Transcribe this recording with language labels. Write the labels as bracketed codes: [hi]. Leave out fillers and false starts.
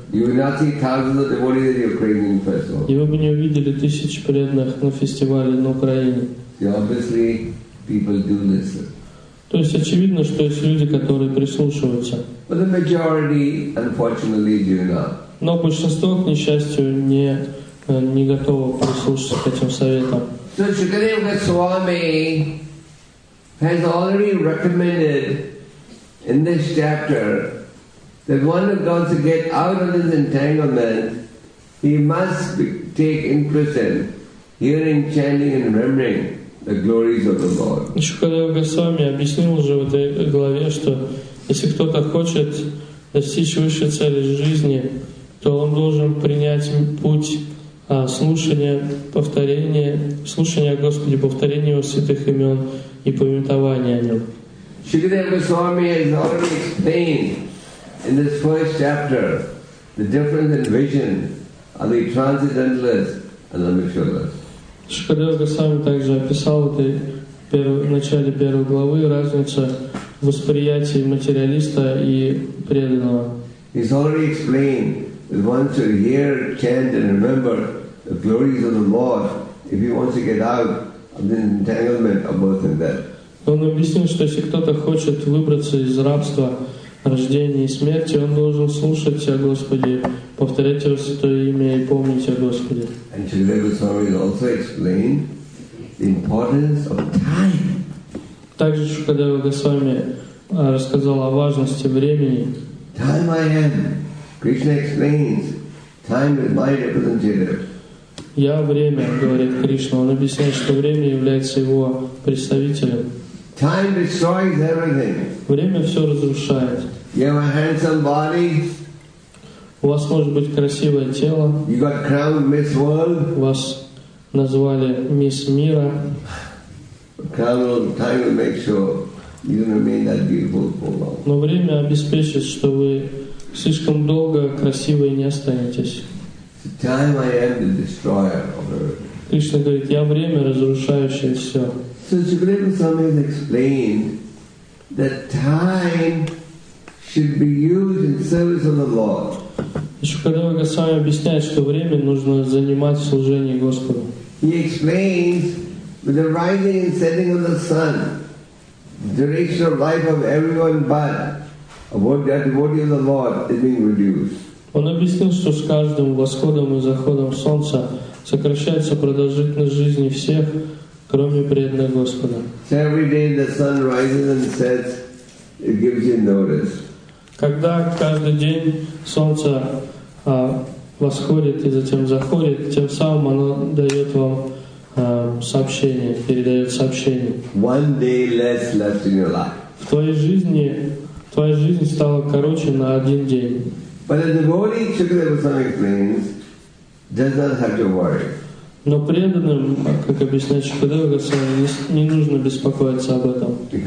[ru] И вы бы не увидели тысячи преданных на фестивале на Украине. То есть очевидно, что есть люди, которые прислушиваются. [en] But the majority, unfortunately, do not. [ru] Но большинство, к несчастью, не готово прислушаться к этим советам. [en] So Shukadeva Goswami has already recommended in this chapter that one who wants to get out of his entanglement, he must take interest in hearing, chanting, and remembering the glories of the Lord. [ru] Shukadeva Goswami объяснил уже в этой главе, что если кто-то хочет достичь высшей цели жизни, то он должен принять путь слушания, повторения, слушания о Господе, повторения его святых имен и памятования о нем. [en] Shukadeva Goswami has already explained in this first chapter the difference in vision of the transcendentalist and the materialist. [ru] Shukadeva Goswami также описал в начале первой главы разницу восприятие материалиста и преданного. [en] He's already explained that one should hear, chant, and remember the glories of the Lord if he wants to get out of the entanglement of birth and death. [ru] Он объяснил, что если кто-то хочет выбраться из рабства, рождения и смерти, он должен слушать о Господе, повторять его святое имя и помнить о Господе. [en] And Shukadeva Goswami also explained the importance of time. [ru] Также Шукадева Госвами рассказал о важности времени. [en] Time I am. Krishna explains. Time is my representative. [ru] Я время, говорит Кришна. Он объясняет, что время является его представителем. [en] Time destroys everything. [ru] Время все разрушает. [en] You have a handsome body. [ru] У вас может быть красивое тело. [en] You got crowned Miss World. [ru] Вас назвали Мисс Мира. [en] Time will make sure you remain that beautiful for long. [ru] Но время обеспечит, что вы слишком долго красивой не останетесь. [en] Time I am the destroyer of everything. [ru] Кришна говорит: я время, разрушающее все. [en] So Shukadeva Goswami has explained that time should be used in service of the Lord. [ru] Шукадева Госвами объясняет, что время нужно занимать в служении Господу. [en] He explains with the rising and setting of the sun, the duration of life of everyone but the devotee of the Lord is being reduced. [ru] Он объяснил, что с каждым восходом и заходом солнца сокращается продолжительность жизни всех, кроме преданных Господа. [en] So every day the sun rises and sets, it gives you notice. [ru] Когда каждый день солнце восходит и затем заходит, тем самым оно дает вам сообщение, передает сообщение. [en] One day less left in your life. [ru] В твоей жизни стала короче на один день. [en] But the devotee, Shukadeva Goswami explains, does not have to worry. [ru] Но преданным, как объясняет Шукадева Госвами, не нужно беспокоиться об этом.